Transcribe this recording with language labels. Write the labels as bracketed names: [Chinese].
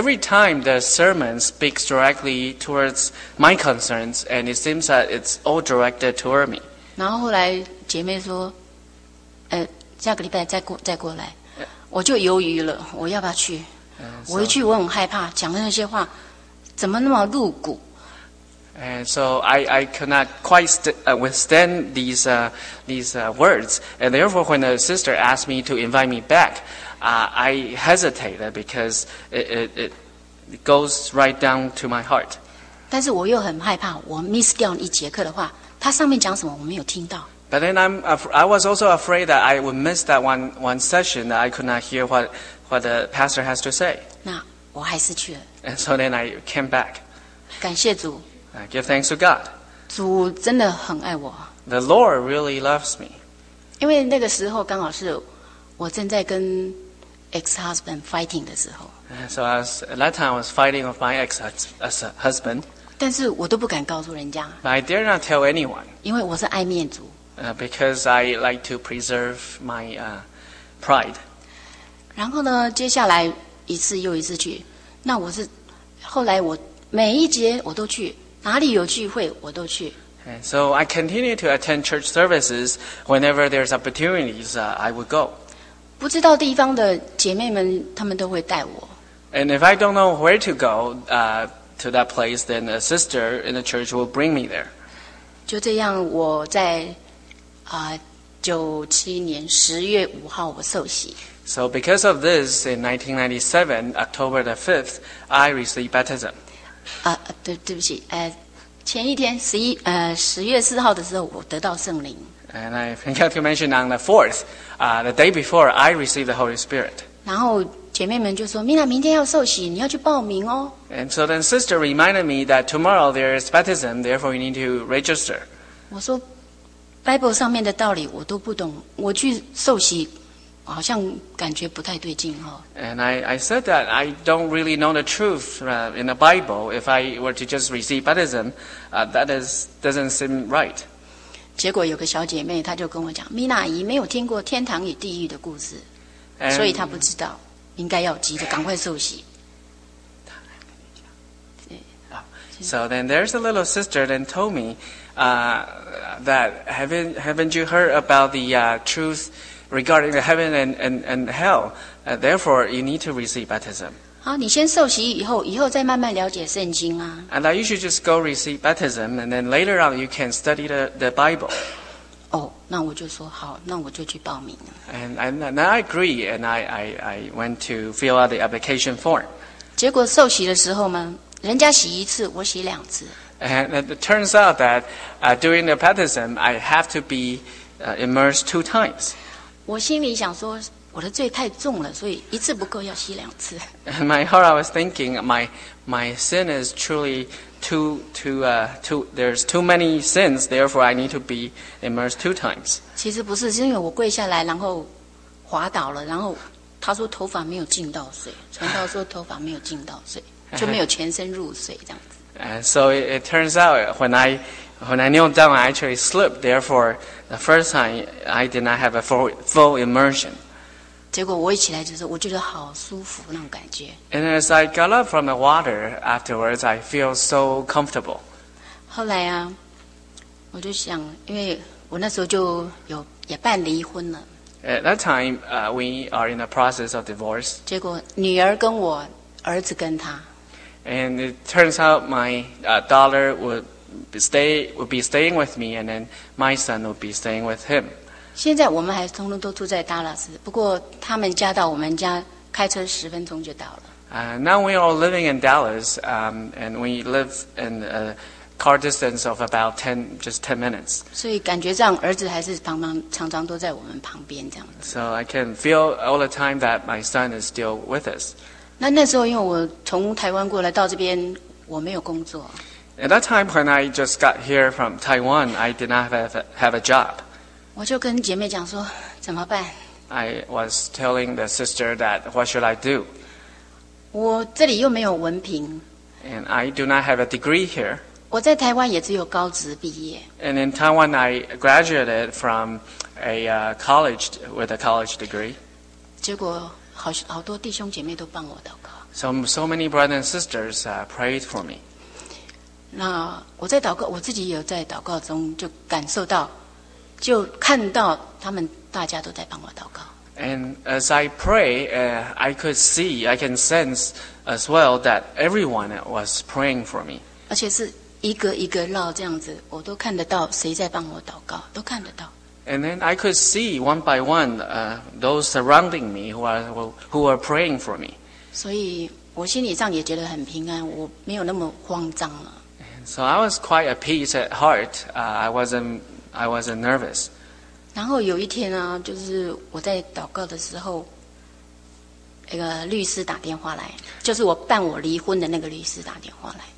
[English] Every time the sermon speaks directly towards my concerns, and it seems that it's all directed toward me. [Chinese] 然后后来姐妹说，下个礼拜再过来， [English] yeah. [Chinese] 我就犹豫了，我要不要去？ [English] So, [Chinese] 我一去我很害怕，讲的那些话怎么那么露骨？ [English] And so I could not quite withstand these words, and therefore when the sister asked me to invite me back. I hesitated because it goes right down to my heart. [Chinese] 但是我又很害怕，我 [English] miss [Chinese] 掉一节课的话，它上面讲什么我没有听到。 [English] But then I was also afraid that I would miss that one session that I could not hear what the pastor has to say. [Chinese] 那我还是去了。 [English] And so then I came back. [Chinese] 感谢主。 [English] I give thanks to God. [Chinese] 主真的很爱我。 [English] The Lord really loves me. [Chinese] 因为那个时候刚好是。我正在跟 [English] ex-husband fighting [Chinese] 的时候 [English] ，so as that time I was fighting with my ex-husband， [Chinese] 但是我都不敢告诉人家 [English] ，but I dare not tell anyone， [Chinese] 因为我是爱面子 [English] ，because I like to preserve my pride。 [Chinese] 然后呢，接下来一次又一次去，那我是后来我每一节我都去，哪里有聚会我都去。 [English] So I continue to attend church services whenever there's opportunities, I would go. [Chinese] 不知道地方的姐妹们，她们都会带我。 [English] And if I don't know where to go, to that place, then a sister in the church will bring me there. [Chinese] 就这样，我在97年10月5号我受洗。 [English] So because of this, in 1997, October the 5th, I received baptism. [Chinese] 对不起。前一天10月4号的时候，我得到圣灵。 [English] And I forgot to mention on the 4th, the day before, I received the Holy Spirit. [Chinese] 然后姐妹们就说：“米娜，明天要受洗，你要去报名哦。” [English] And so then sister reminded me that tomorrow there is baptism, therefore you need to register. [Chinese] 我说 ，Bible 上面的道理我都不懂，我去受洗，好像感觉不太对劲哦。 [English] And I said that I don't really know the truth in the Bible. If I were to just receive baptism, doesn't seem right. [Chinese] 结果有个小姐妹她就跟我讲，米娜姨没有听过天堂与地狱的故事， [English] and, [Chinese] 所以她不知道应该要急着赶快受洗。 [English] So then there's a little sister then told me, that haven't you heard about the truth? Regarding the heaven and hell, therefore you need to receive baptism. [Chinese] 好，你先受洗以后，以后再慢慢了解圣经啊。 [English] And that you should just go receive baptism, and then later on you can study the Bible. [Chinese] 哦，那我就说好，那我就去报名。 [English] And I agree, and I went to fill out the application form. [Chinese] 结果受洗的时候嘛，人家洗一次，我洗两次。 [English] And it turns out that during the baptism, I have to be immersed 2 times. [Chinese] 我心里想说，我的罪太重了，所以一次不够，要洗两次。 [English] In my heart, I was thinking my sin is truly too there's too many sins, therefore I need to be immersed 2 times. [Chinese] 其实不是，是因为我跪下来，然后滑倒了，然后他说头发没有浸到水，传道说头发没有浸到水，就没有全身入水这样子。 [English] So it turns out when I kneel down, I actually slipped. Therefore, the first time, I did not have a full immersion. [Chinese] 结果我一起来就是，我觉得好舒服那种感觉。 [English] And as I got up from the water afterwards, I feel so comfortable. [Chinese] 后来啊，我就想，因为我那时候就有也办离婚了。 [English] At that time, we are in the process of divorce. [Chinese] 结果女儿跟我，儿子跟她。 [English] And it turns out my daughter would be staying with me, and then my son would be staying with him. [Chinese] 现在我们还通通都住在达拉斯，不过他们家到我们家开车10分钟就到了。 [English] Now we are living in Dallas, and we live in a car distance of about just 10 minutes. [Chinese] 所以感觉上儿子还是常常都在我们旁边这样子。 [English] So I can feel all the time that my son is still with us. [Chinese] 那时候因为我从台湾过来到这边，我没有工作。 [English] At that time, when I just got here from Taiwan, I did not have a job. [Chinese] 我就跟姐妹讲说，怎么办？ [English] I was telling the sister that, what should I do? [Chinese] 我这里又没有文凭。 [English] And I do not have a degree here. [Chinese] 我在台湾也只有高职毕业。 [English] And in Taiwan, I graduated from a college with a college degree. [Chinese] 结果 好多弟兄姐妹都帮我祷告。 [English] So many brothers and sisters prayed for me. [Chinese] 那我在祷告，我自己也有在祷告中就感受到，就看到他们大家都在帮我祷告。 [English] And as I pray, I could see, I can sense as well that everyone was praying for me. [Chinese] 而且是一个一个绕这样子，我都看得到谁在帮我祷告，都看得到。 [English] And then I could see one by one, those surrounding me who are praying for me. [Chinese] 所以我心理上也觉得很平安，我没有那么慌张了。 [English] So I was quite at peace at heart. I wasn't nervous. [Chinese] 然后有一天啊，就是我在祷告的时候，那个律师打电话来，就是我办我离婚的那个律师打电话来。